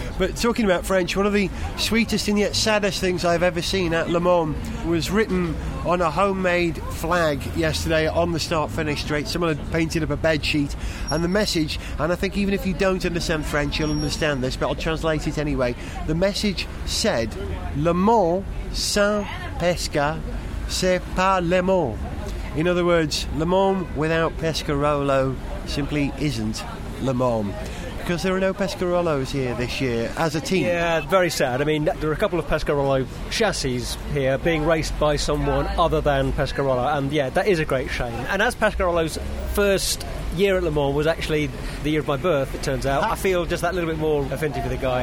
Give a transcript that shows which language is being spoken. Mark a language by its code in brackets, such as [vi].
[en] But talking about French, one of the sweetest and yet saddest things I've ever seen at Le Mans was written on a homemade flag yesterday on the start-finish straight. Someone had painted up a bed sheet, and the message, and I think even if you don't understand French, you'll understand this, but I'll translate it anyway. The message said, [fr] Le Mans sans Pesca, c'est pas Le Mans. [en] In other words, Le Mans without Pescarolo simply isn't Le Mans. Because there are no Pescarolos here this year as a team. Yeah, very sad. I mean, there are a couple of Pescarolo chassis here being raced by someone other than Pescarolo. And yeah, that is a great shame. And as Pescarolo's first year at Le Mans was actually the year of my birth, it turns out, I feel just that little bit more affinity for the guy.